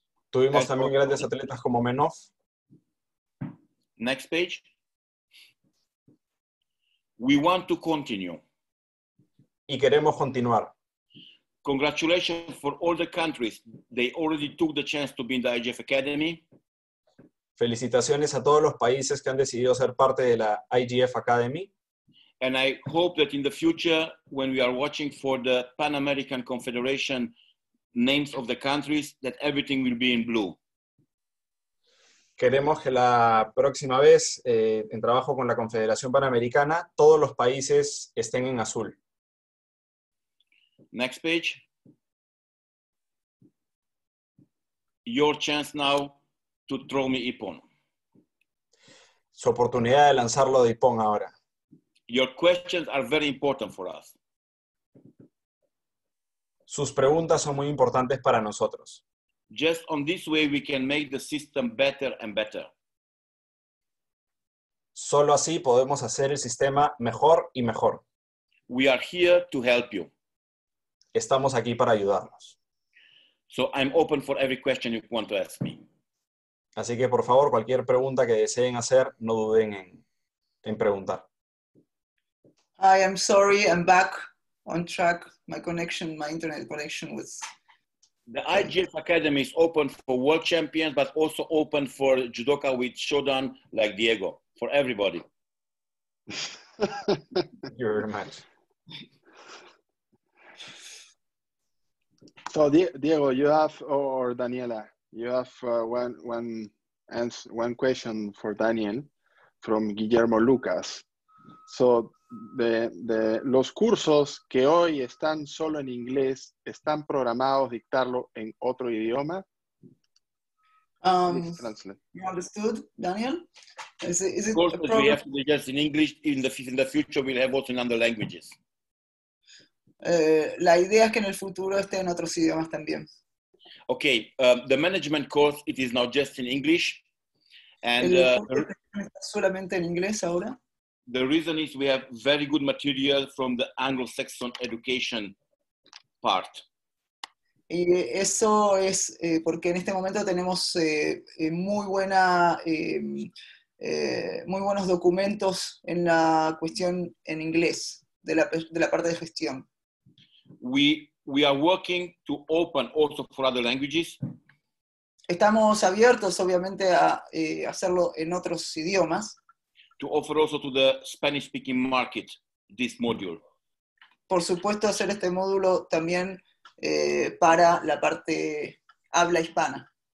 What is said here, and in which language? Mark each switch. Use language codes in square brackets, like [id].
[es] Tuvimos también grandes atletas como Menov. [en] Next page. We want to continue. [es] Y queremos continuar. [en] Congratulations for all the countries. They already took the chance to be in the IGF Academy. [es] Felicitaciones a todos los países que han decidido ser parte de la IGF Academy. [en] And I hope that in the future, when we are watching for the Pan American Confederation names of the countries, that everything will be in blue. [es] Queremos que la próxima vez, en trabajo con la Confederación Panamericana, todos los países estén en azul. [en] Next page. Your chance now to throw me Ippon. [es] Su oportunidad de lanzarlo de Ippon ahora. [en] Your questions are very important for us. [es] Sus preguntas son muy importantes para nosotros. [en] Just on this way we can make the system better and better. [es] Solo así podemos hacer el sistema mejor y mejor. [en] We are here to help you. [es] Estamos aquí para ayudarnos. [en] So I'm open for every question you want to ask me. [es] Así que por favor, cualquier pregunta que deseen hacer, no duden en preguntar. [en] Hi, I'm sorry, I'm back on track. My internet connection was The IGF Academy is open for world champions, but also open for judoka with shodan like Diego, for everybody. Thank you very much. So Diego, you have, or Daniela, you have one question for Daniel from Guillermo Lucas. [es] So de los cursos que hoy están solo en inglés, ¿están programados dictarlo en otro idioma? [en] You understood, Daniel? Is it of course, we have to be just in English. In the future, we'll have also in other languages. [es] La idea es que en el futuro esté en otros idiomas también. [en] Okay, the management course, it is now just in English. And [es] solamente en inglés ahora. [en] The reason is we have very good material from the Anglo-Saxon education part. [es] Y eso es porque en este momento tenemos muy buenos documentos en la cuestión en inglés de la parte de gestión. [en] We are working to open also for other languages. [es] Estamos abiertos, obviamente, a hacerlo en otros idiomas. [en] To offer also to the Spanish-speaking market this module. [es] Por supuesto, hacer este módulo también para la parte habla hispana.